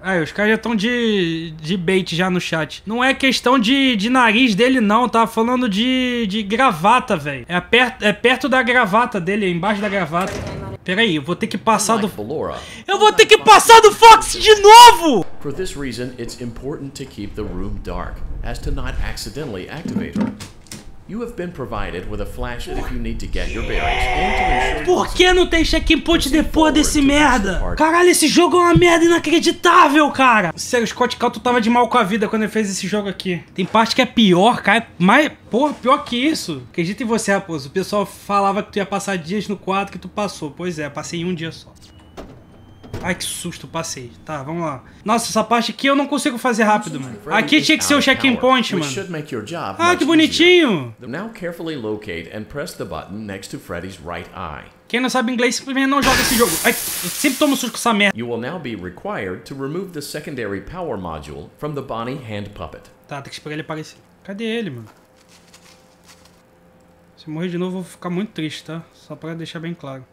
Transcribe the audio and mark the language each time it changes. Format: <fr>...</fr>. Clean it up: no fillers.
<pt>Aí, os caras já estão de bait já no chat. Não é questão de nariz dele, não. Tava falando de gravata, velho. É perto da gravata dele, embaixo da gravata. Peraí, eu vou ter que passar do... Eu vou ter que passar do Fox de novo! Por essa razão, é importante manter a sala escura.</pt> <en>As to not accidentally activate her. You have been provided with a flash if you need to get your bearings and to ensure.</en> <pt>Por que não tem checkpoint depois desse merda? Caralho, esse jogo é uma merda inacreditável, cara! Sério, o Scott Calton tava de mal com a vida quando ele fez esse jogo aqui. Tem parte que é pior, cara. Mas, porra, pior que isso. Acredita em você, raposo. O pessoal falava que tu ia passar dias no quadro que tu passou. Pois é, passei um dia só. Ai, que susto, passei. Tá, vamos lá. Nossa, essa parte aqui eu não consigo fazer rápido, mano. Aqui tinha que ser o checking point, mano. Ah, que bonitinho.</pt> <en>Now carefully locate and press the button next to Freddy's right eye.</en> <pt>Quem não sabe inglês, simplesmente não joga esse jogo. Ai, eu sempre tomo susto com essa merda.</pt> <en>You will now be required to remove the secondary power module from the Bonnie hand puppet.</en> <pt>Tá, tem que esperar ele aparecer. Cadê ele, mano? Se morrer de novo, eu vou ficar muito triste, tá? Só pra deixar bem claro.</pt>